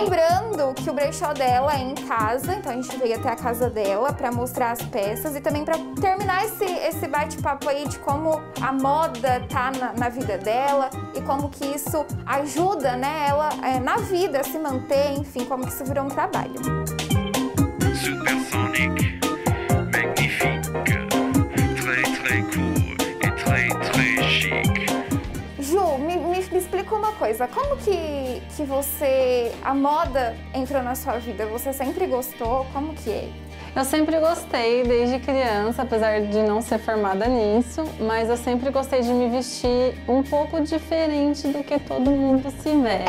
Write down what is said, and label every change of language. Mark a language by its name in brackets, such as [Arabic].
[Portuguese] Lembrando que o brechó dela é em casa, então a gente veio até a casa dela para mostrar as peças e também para terminar esse bate-papo aí de como a moda tá na vida dela e como que isso ajuda, né, ela na vida, se manter, enfim, como que isso virou um trabalho. [French] Supersonic, magnifique, très très cool et très très chic. [Portuguese] Ju, me explica uma coisa, como que você, a moda entrou na sua vida? Você sempre gostou? Como que é? Eu sempre gostei, desde criança, apesar de não ser formada nisso, mas eu sempre gostei de me vestir um pouco diferente do que todo mundo se veste.